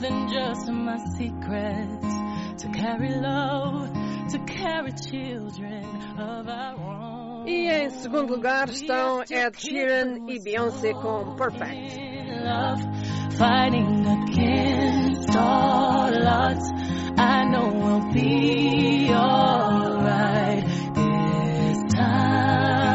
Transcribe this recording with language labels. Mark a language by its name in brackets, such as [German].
[English] Just my secrets to carry love, to carry children of our own. [Portuguese] E em segundo lugar estão Ed Sheeran e Beyoncé com Perfect. [English] Love, fighting against all odds, I know we'll be alright this time.